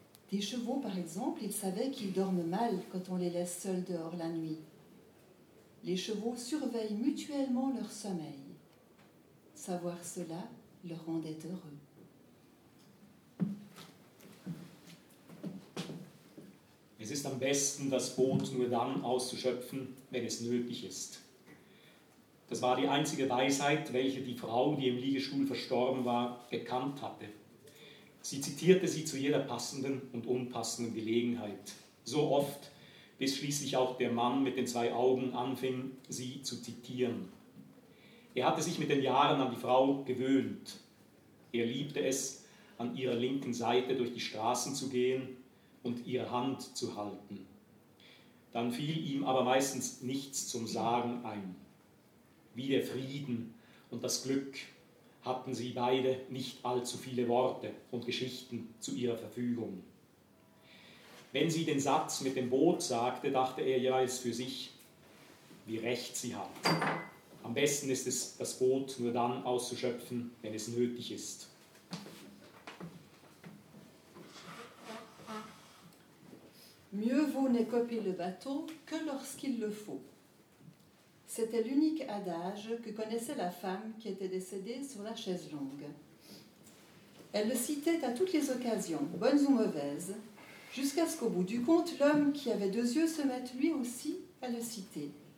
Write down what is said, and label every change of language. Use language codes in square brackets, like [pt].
[fr] Des chevaux, par exemple, il savait qu'ils dorment mal quand on les laisse seuls dehors la nuit. Les chevaux surveillent mutuellement leur sommeil. Savoir cela le rendait heureux. [de] Es ist am besten, das Boot nur dann auszuschöpfen, wenn es nötig ist. Das war die einzige Weisheit, welche die Frau, die im Liegestuhl verstorben war, bekannt hatte. Sie zitierte sie zu jeder passenden und unpassenden Gelegenheit. So oft, bis schließlich auch der Mann mit den zwei Augen anfing, sie zu zitieren. Er hatte sich mit den Jahren an die Frau gewöhnt. Er liebte es, an ihrer linken Seite durch die Straßen zu gehen und ihre Hand zu halten. Dann fiel ihm aber meistens nichts zum Sagen ein. Wie der Frieden und das Glück hatten sie beide nicht allzu viele Worte und Geschichten zu ihrer Verfügung. Wenn sie den Satz mit dem Boot sagte, dachte er jeweils für sich, wie recht sie hat. Am besten ist es, das Boot nur dann auszuschöpfen, wenn es nötig ist. [fr] Mieux vaut n'écoper le bateau que lorsqu'il le faut. C'était l'unique adage que connaissait la femme qui était décédée sur la chaise longue. Elle le citait à toutes les occasions, bonnes ou mauvaises, jusqu'à ce qu'au bout du compte, l'homme qui avait deux yeux se mette lui aussi à le citer.